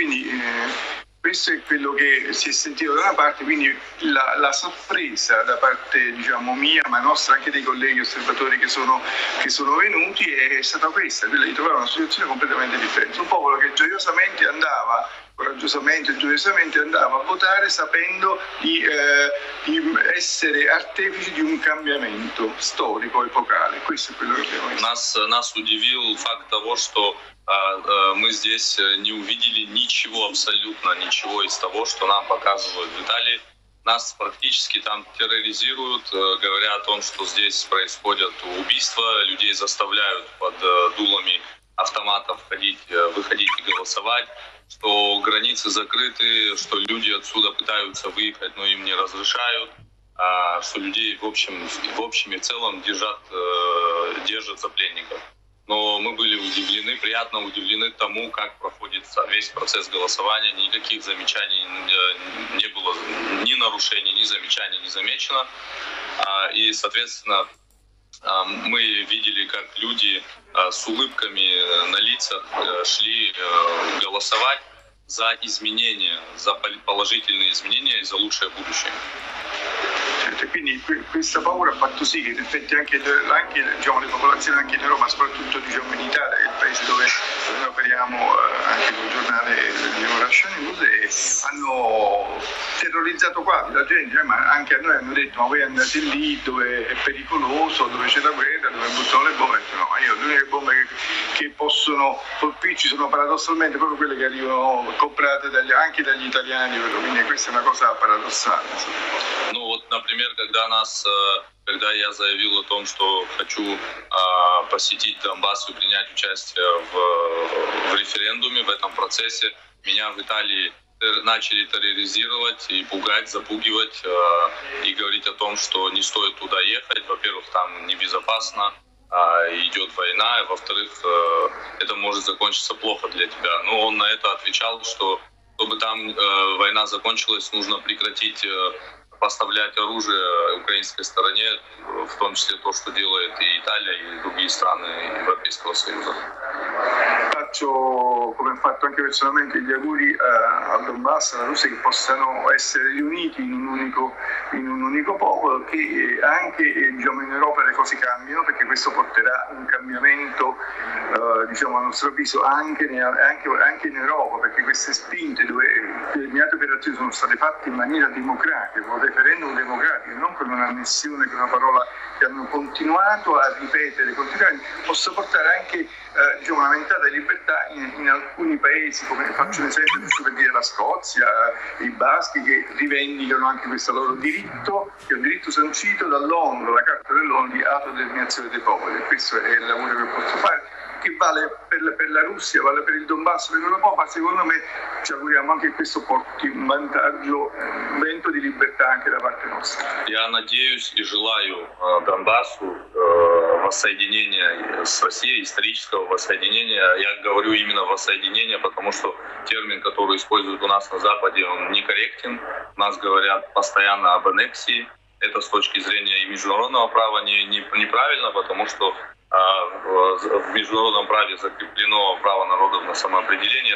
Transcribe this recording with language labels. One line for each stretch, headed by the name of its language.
Italian: Quindi questo è quello che si è sentito da una parte, quindi la sorpresa da parte, diciamo, mia, ma nostra, anche dei colleghi osservatori che sono venuti, è stata questa, quella di trovare una situazione completamente differente. Un popolo che gioiosamente andava, coraggiosamente e gioiosamente andava a votare sapendo di essere artefici di un cambiamento storico, epocale. Questo è quello che abbiamo visto.
Russian: Нас удивил факт того, что мы здесь не увидели ничего, абсолютно ничего из того, что нам показывают в Италии. Нас практически там терроризируют, говоря о том, что здесь происходят убийства, людей заставляют под дулами автоматов выходить и голосовать, что границы закрыты, что люди отсюда пытаются выехать, но им не разрешают, что людей в общем и целом держат за пленников. Но мы были удивлены, приятно удивлены тому, как проходит весь процесс голосования. Никаких замечаний не было, ни нарушений, ни замечаний не замечено. И, соответственно, мы видели, как люди с улыбками на лицах шли голосовать за изменения, за положительные изменения и за лучшее будущее.
Italian: Quindi questa paura ha fatto sì che in effetti anche diciamo, le popolazioni anche in Europa, soprattutto diciamo, in Italia, che è il paese dove operiamo anche con il giornale di Russia News, hanno terrorizzato quasi la gente, ma anche a noi hanno detto: ma voi andate lì dove è pericoloso, dove c'è la guerra, dove buttano le bombe. No, ma io le uniche bombe che possono colpirci sono paradossalmente proprio quelle che arrivano comprate anche dagli italiani, quindi questa è una cosa paradossale.
Russian: Например, когда нас когда я заявил о том, что хочу посетить Донбасс и принять участие в референдуме, в этом процессе, меня в Италии начали терроризировать и пугать, запугивать и говорить о том, что не стоит туда ехать. Во-первых, там небезопасно, идет война, и во-вторых, это может закончиться плохо для тебя. Но он на это отвечал, что чтобы там война закончилась, нужно прекратить поставлять оружие украинской стороне, в том числе то, что делает и Италия, и другие страны Европейского Союза.
Italian: Faccio, come ho fatto anche personalmente, gli auguri a Donbass, alla Russia, che possano essere riuniti in un unico popolo, che anche diciamo, in Europa le cose cambino, perché questo porterà un cambiamento, diciamo, a nostro avviso, anche in Europa, perché queste spinte dove determinate operazioni sono state fatte in maniera democratica, con un referendum democratico, non con un'annessione, con una parola che hanno continuato a ripetere continuamente, possa portare anche diciamo, una ventata di libertà in alcuni paesi, come faccio un esempio, giusto per dire la Scozia, i Baschi, che rivendicano anche questo loro diritto, che è un diritto sancito dall'ONU, la Carta dell'ONU di autodeterminazione dei popoli. E questo è il lavoro che posso fare, che vale per la Russia, vale per il Donbass, per l'Europa, ma secondo me ci auguriamo anche che questo porti un vantaggio, un vento di libertà anche da parte nostra.
Russian: Я надеюсь и желаю Донбассу воссоединения с Россией, исторического воссоединения. Я говорю именно воссоединение, потому что термин, который используют у нас на Западе, он некорректен. У нас говорят постоянно об аннексии. Это с точки зрения и международного права неправильно, потому что в международном праве закреплено право народов на самоопределение.